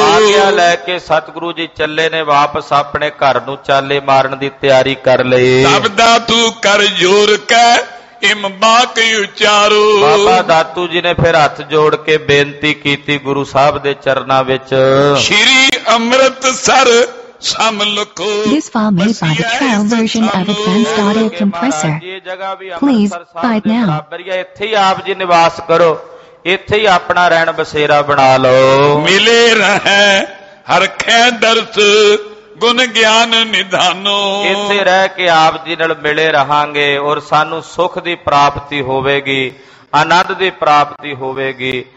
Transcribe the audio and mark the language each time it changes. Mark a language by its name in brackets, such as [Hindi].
[Punjabi] ਆਗਿਆ ਲੈ ਕੇ ਸਤਿਗੁਰੂ ਜੀ ਚੱਲੇ ਨੇ ਵਾਪਸ ਆਪਣੇ ਘਰ ਨੂੰ ਚਾਲੇ ਮਾਰਨ ਦੀ ਤਿਆਰੀ ਕਰ ਲਈ। ਸਬਦਾ ਤੂੰ ਕਰ ਜੋਰ ਕੈ ਇਮਬਾਕ ਉਚਾਰੋ। ਬਾਬਾ ਦਾਤੂ ਜੀ ਨੇ ਫਿਰ ਹੱਥ ਜੋੜ ਕੇ ਬੇਨਤੀ ਕੀਤੀ ਗੁਰੂ ਸਾਹਿਬ ਦੇ ਚਰਨਾਂ ਵਿੱਚ, Shri Amritsar [English] This file made by the trial version of Advanced Audio Compressor. Please buy it now. [Punjabi] ਇੱਥੇ ਆਪ ਜੀ ਨਿਵਾਸ ਕਰੋ, ਇੱਥੇ ਆਪਣਾ ਰਹਿਣ ਬਸੇਰਾ ਬਣਾ ਲਓ। ਮਿਲੇ ਰਹੇ ਹਰਖੇ ਦਰਸ ਗੁਣ ਗਿਆਨ ਨਿਧਾਨੋ। ਇੱਥੇ ਰਹਿ ਕੇ ਆਪ ਜੀ ਨਾਲ ਮਿਲੇ ਰਹਾਂਗੇ ਔਰ ਸਾਨੂੰ ਸੁਖ ਦੀ ਪ੍ਰਾਪਤੀ ਹੋਵੇਗੀ, ਆਨੰਦ ਦੀ ਪ੍ਰਾਪਤੀ ਹੋਵੇਗੀ।